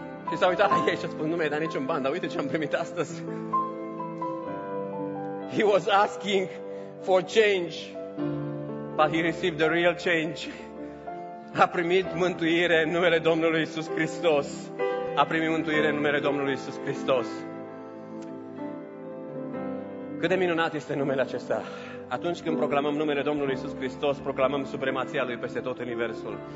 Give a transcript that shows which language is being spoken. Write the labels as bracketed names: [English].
[Romanian] Și s-a uitat la ei și a spus, nu mi-ai dat niciun ban, dar uite ce am primit astăzi. [English] He was asking for change, but he received the real change. [Romanian] A primit mântuire în numele Domnului Iisus Hristos. A primit mântuire în numele Domnului Iisus Hristos. Cât de minunat este numele acesta! Atunci când proclamăm numele Domnului Iisus Hristos, proclamăm supremația Lui peste tot universul.